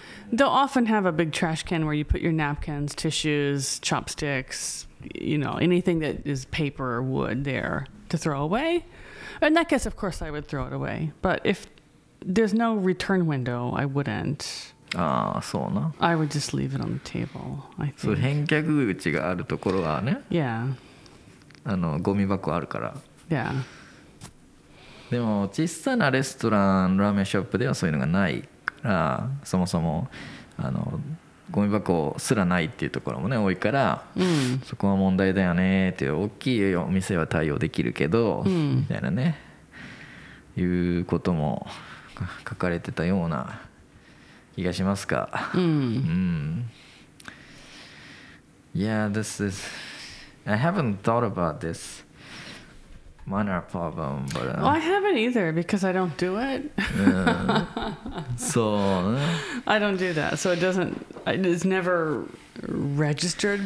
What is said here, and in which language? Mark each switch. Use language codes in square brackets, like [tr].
[en] They'll often have a big trash can where you put your napkins, tissues, chopsticks, you know, anything that is paper or wood there to throw away. In that case, of course, I would throw it away. But if there's no return window, I wouldn't. Ah, so no. I would just leave it on the table, I think. [ja] So, 返却口があるところはね。 [en] Yeah. [ja] あの、ゴミ箱あるから。 [en] Yeah. [ja] でも、小さなレストラン、ラーメンショップではそういうのがないから、そもそも、あの、ゴミ箱すらないっていうところもね、多いから、そこは問題だよねっていう、大きいお店は対応できるけど、みたいなね、いうことも、書かれてたような気がしますか。 [en] Yeah, this is. I haven't thought about this manner problem, but. Well, I haven't either because I don't do it. So. I don't do that, so it doesn't. It's never registered.